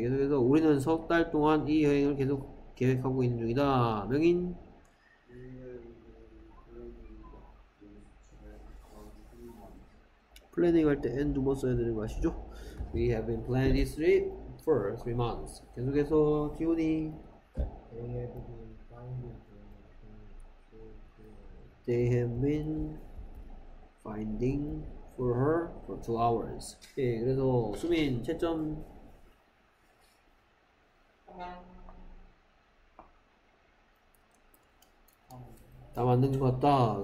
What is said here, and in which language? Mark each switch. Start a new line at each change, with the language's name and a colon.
Korean: 계속해서 우리는 석 달 동안 이 여행을 계속 계획하고 있는 중이다. 명인 플래닝 할 때 N 두 번 써야 되는 거 아시죠?
English: We have been planning this trip for 3 months.
Korean: 계속해서 기훈이
English: They have been finding for her for 2 hours.
Korean: 예, 그래서 수민 채점 다 맞는 것 같다.